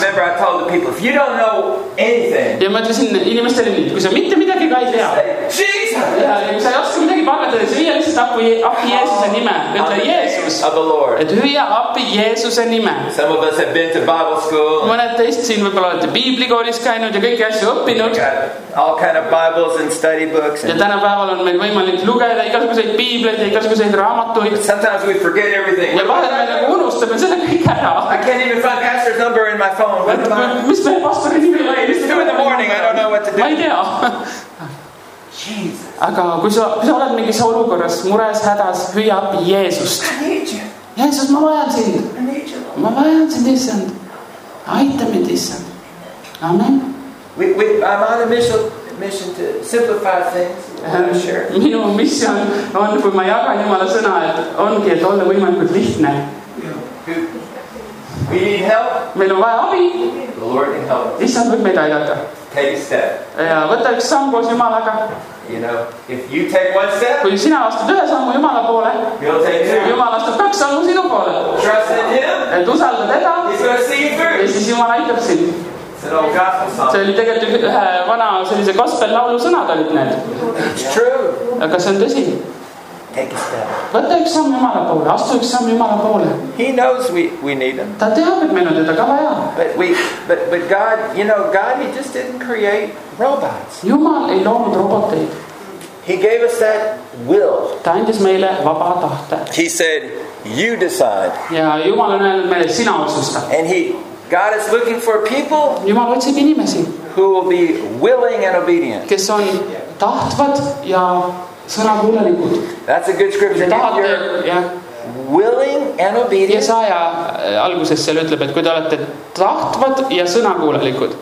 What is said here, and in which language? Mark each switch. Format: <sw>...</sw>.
<en>I remember I told the people, if you don't know anything.</en> <et>Ja ma ütlesin inimestele nii, kui sa mitte midagi ka ei tea.</et> <en>Jesus!</en> <et>Ja kui sa ei oska midagi pakata, siis hüüa lihtsalt appi Jeesuse nime. Ütle Jeesus.</et> <en>Of the Lord.</en> <et>Et hüüa appi Jeesuse nime.</et> <en>Some of us have been to Bible school.</en> <et>Mõned teist siin võibolla olete biiblikoolis käinud ja kõiki asju õppinud.</et> <en>All kind of Bibles and study books.</en> <et>Ja tänapäeval on meil võimalik lugeda igasuguseid biibleid ja igasuguseid raamatuid.</et> <en>But sometimes we forget everything.</en> <et>Ja vahel me nagu unustame selle kõik ära.</et> <en>I can't even find pastor's number in my phone. What am I?</en> <et>Mis meie pastori nimi</et> <en>on? It's 2 in the morning. I don't know what to do.</en> <et>Ma ei tea.</et> <en>Jesus.</en> <et>Aga kui sa oled mingis olukorras, mures, hädas, hüüa appi Jeesust.</et> <en>I need you.</en> <et>Jeesus, ma vajan sind.</et> <en>I need you.</en> <et>Ma vajan sind, Issand. Aita mind, Issand. Amen.</et> <en>We I'm on a mission to simplify things. Sure.</en> <et>Minu mission on, kui ma jagan Jumala sõna, et ongi, et olla võimalikult lihtne.</et> <en>We need help.</en> <et>Meil on vaja abi.</et> <en>The Lord can help.</en> <et>Issand võib meid aidata.</et> <en>Take a step.</en> <et>Ja võta üks samm koos Jumalaga.</et> <en>You know, if you take one step,</en> <et>kui sina astud ühe sammu Jumala poole,</et> <en>you'll take two.</en> <et>Jumal astub kaks sammu sinu poole.</et> <en>Trust in him,</en> <et>et usalda teda,</et> <en>he's going to see you through.</en> <et>Ja siis Jumal aitab sind. See oli tegelikult ühe vana sellise gospel laulu sõnad olid need. Aga see on tõsi. Võtta üks samm Jumala poole, astu üks samm Jumala poole.</et> <en>He knows we need him.</en> <et>Ta teab, et meil on teda ka vaja.</et> <en>But God, you know, God, he just didn't create robots.</en> <et>Jumal ei loonud roboteid.</et> <en>He gave us that will.</en> <et>Ta andis meile vaba tahte.</et> <en>He said, you decide.</en> <et>Ja Jumal on öelnud meile, sina otsusta.</et> <en>And he... God is looking for people</en> <et>Jumal otsib inimesi,</et> <en>who will be willing and obedient.</en> <et>Kes on tahtvad ja sõnakuulelikud.</et> <en>That's a good scripture.</en> <et>Tahtel,</et> <en>willing and obedient.</en> <et>Jesaja alguses seal ütleb, et kui te olete tahtvad ja sõnakuulelikud,</et>